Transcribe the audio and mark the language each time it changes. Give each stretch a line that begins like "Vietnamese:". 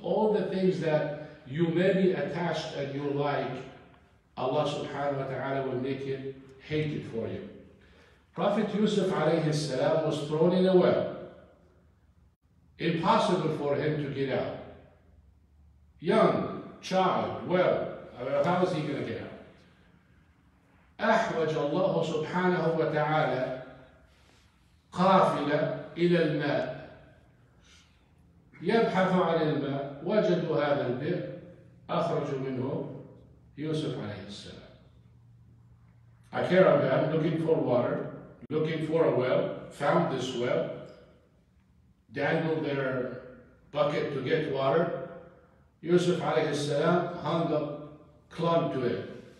English: All the things that you may be attached and you like, Allah subhanahu wa ta'ala will make it hated for you. Prophet Yusuf alayhi salam was thrown in a well. Impossible for him to get out. Young, child, well, how is he going to get out?
Arabic: أحوج الله سبحانه وتعالى قافلة إلى الماء. يبحث عن الماء, وجدوا هذا البئر. أخرج منه يوسف عليه السلام.
English: A caravan looking for water, looking for a well, found this well, dangled their bucket to get water. يوسف عليه السلام hung up, clung to it.